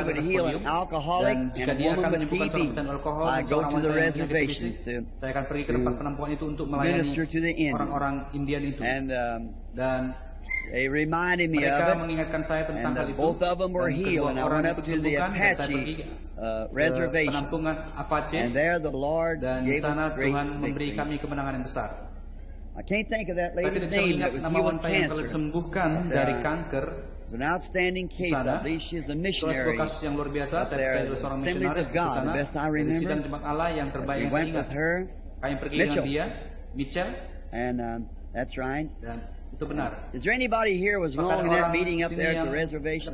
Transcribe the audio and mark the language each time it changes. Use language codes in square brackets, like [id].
[en] he would heal an alcoholic and a woman with TB. I go to the reservation [id] saya akan pergi ke tempat penampungan itu untuk melayani orang-orang Indian itu. [en] And, [id] dan [en] they reminded me [id] mereka [en] of [id] mengingatkan saya tentang hal itu. [en] Both of them were healed and I went up to the Apache. Reservation. [id] Penampungan Apache. [en] And there the Lord [id] dan di sana Tuhan memberi [en] victory. [id] Kami kemenangan yang besar. [en] I can't think of that lady's name. [id] Saya tidak bisa ingat nama wanita yang sembuhkan dari kanker. [en] An outstanding case. At least she's a missionary. [id] Sebuah kasus yang luar biasa. Saya percaya dia seorang misionaris di sana. [en] Best I remember. [id] Di sidang jemaat Allah yang terbaik yang saya ingat. Kami pergi dengan dia, Mitchell. [en] And that's right. [id] Dan itu benar. [en] Is there anybody here was long in that meeting up there at the reservation?